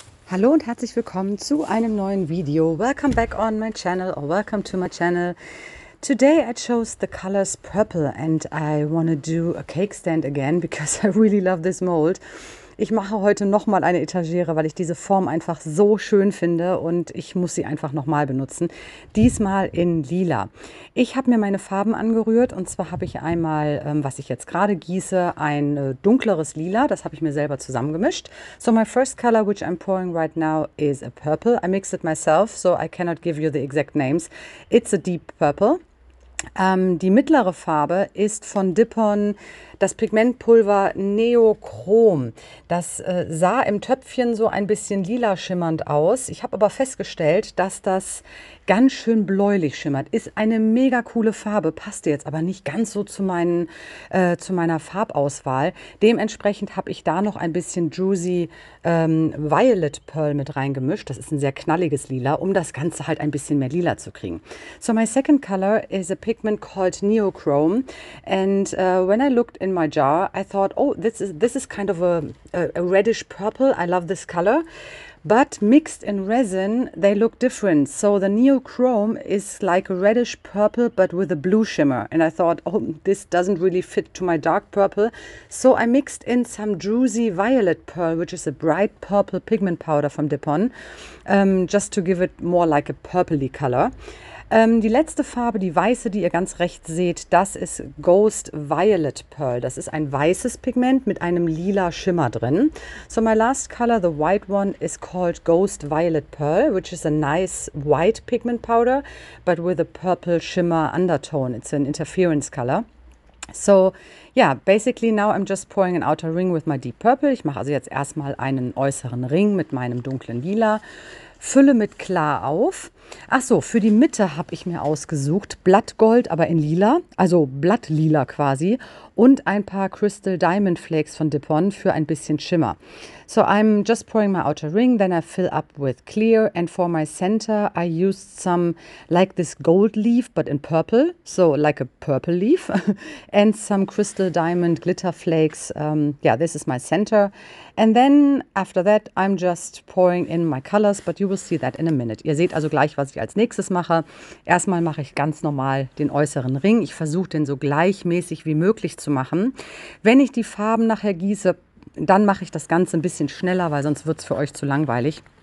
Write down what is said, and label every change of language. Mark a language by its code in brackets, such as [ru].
[de] Hallo und herzlich willkommen zu einem neuen Video. [en] Welcome back on my channel or welcome to my channel. Today I chose the colors purple and I want to do a cake stand again because I really love this mold. [de] Ich mache heute nochmal eine Etagere, weil ich diese Form einfach so schön finde und ich muss sie einfach nochmal benutzen. Diesmal in Lila. Ich habe mir meine Farben angerührt und zwar habe ich einmal, was ich jetzt gerade gieße, ein dunkleres Lila. Das habe ich mir selber zusammengemischt. [en] So my first color, which I'm pouring right now, is a purple. I mixed it myself, so I cannot give you the exact names. It's a deep purple. [de] Die mittlere Farbe ist von Dippon das Pigmentpulver Neochrom. Das sah im Töpfchen so ein bisschen lila schimmernd aus. Ich habe aber festgestellt, dass das ganz schön bläulich schimmert. Ist eine mega coole Farbe, passte jetzt aber nicht ganz so zu meiner Farbauswahl. Dementsprechend habe ich da noch ein bisschen Juicy Violet Pearl mit reingemischt. Das ist ein sehr knalliges Lila, um das Ganze halt ein bisschen mehr lila zu kriegen. [en] So my second color is a pigment called Neochrom, and when I looked in my jar, I thought, oh, this is kind of a reddish purple. I love this color, but mixed in resin, they look different. So the Neochrom is like a reddish purple, but with a blue shimmer. And I thought, oh, this doesn't really fit to my dark purple. So I mixed in some Druzy Violet Pearl, which is a bright purple pigment powder from Dippon, just to give it more like a purpley color. [de] Die letzte Farbe, die weiße, die ihr ganz rechts seht, das ist Ghost Violet Pearl. Das ist ein weißes Pigment mit einem lila Schimmer drin. [en] So my last color, the white one, is called Ghost Violet Pearl, which is a nice white pigment powder, but with a purple shimmer undertone. It's an interference color. So, yeah, basically now I'm just pouring an outer ring with my deep purple. [de] Ich mache also jetzt erstmal einen äußeren Ring mit meinem dunklen Lila. Fülle mit klar auf. Ach so, für die Mitte habe ich mir ausgesucht Blattgold, aber in Lila, also Blattlila quasi, und ein paar Crystal Diamond Flakes von Dippon für ein bisschen Schimmer. [en] So I'm just pouring my outer ring, then I fill up with clear, and for my center I used some like this gold leaf but in purple, so like a purple leaf, and some Crystal Diamond Glitter Flakes. Yeah, this is my center, and then after that I'm just pouring in my colors, but you will see that in a minute. [de] Ihr seht also gleich, was ich als nächstes mache. Erstmal mache ich ganz normal den äußeren Ring. Ich versuche den so gleichmäßig wie möglich zu machen. Wenn ich die Farben nachher gieße, dann mache ich das Ganze ein bisschen schneller, weil sonst wird es für euch zu langweilig.